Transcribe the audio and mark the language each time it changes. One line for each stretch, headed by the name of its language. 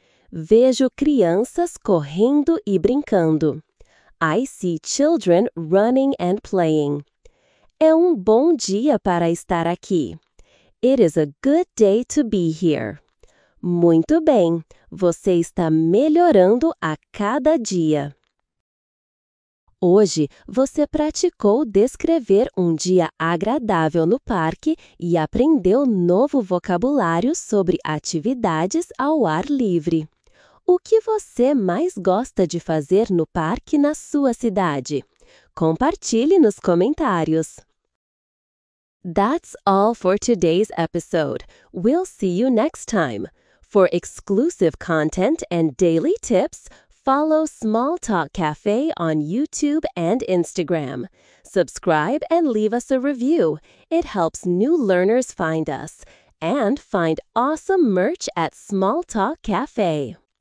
Portuguese: Vejo crianças correndo e brincando.
English: I see children running and playing.
Portuguese: É um bom dia para estar aqui.
English: It is a good day to be here.
Portuguese: Muito bem! Você está melhorando a cada dia. Hoje, você praticou descrever um dia agradável no parque e aprendeu novo vocabulário sobre atividades ao ar livre. O que você mais gosta de fazer no parque na sua cidade? Compartilhe nos comentários.
English: That's all for today's episode. We'll see you next time. For exclusive content and daily tips, Follow Small Talk Cafe on YouTube and Instagram. Subscribe and leave us a review. It helps new learners find us. And find awesome merch at Small Talk Cafe.